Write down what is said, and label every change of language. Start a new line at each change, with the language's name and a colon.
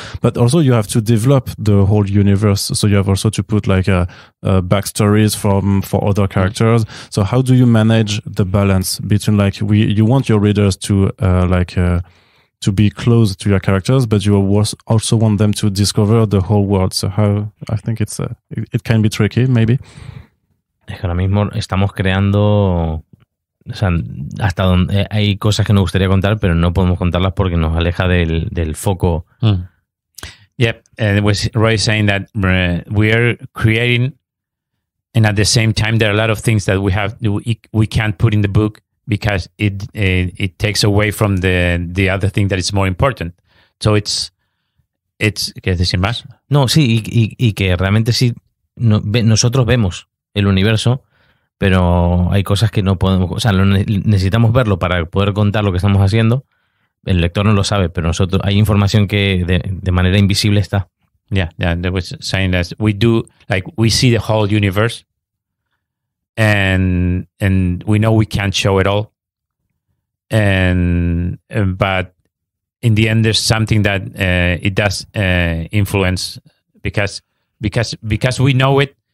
English: But also you have to develop the whole universe. So you have also to put like backstories for other characters. So how do you manage the balance between like you want your readers to be close to your characters, but you also want them to discover the whole world. So how, I think it's, it can be tricky, maybe.
Spanish: Es que ahora mismo estamos creando. O sea, hasta donde hay cosas que nos gustaría contar, pero no podemos contarlas porque nos aleja del foco.
English: Yep, and it was Roy saying that we are creating, and at the same time, there are a lot of things that we can't put in the book because it takes away from the other thing that is more important. So it's
Spanish: ¿qué decir más? No, sí, y que realmente sí, nosotros vemos el universo. Pero hay cosas que no podemos, o sea, necesitamos verlo para poder contar lo que estamos haciendo. El lector no lo sabe, pero nosotros hay información que de manera invisible está.
English: Yeah, that was saying that we do, like, we see the whole universe and we know we can't show it all. And but in the end there's something that it does influence because we know it.